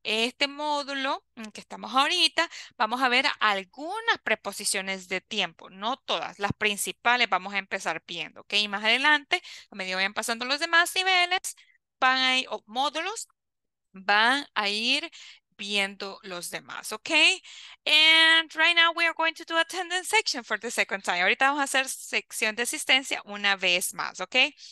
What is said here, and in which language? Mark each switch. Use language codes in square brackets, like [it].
[es] Este módulo en que estamos ahorita, vamos a ver algunas preposiciones de tiempo, no todas, las principales vamos a empezar viendo, ¿ok? Y más adelante, a medida vayan pasando los demás niveles, van a ir, o módulos, van a ir viendo los demás, ok. [en] And right now we are going to do attendance section for the second time. [es] Ahorita vamos a hacer sección de asistencia una vez más, ok.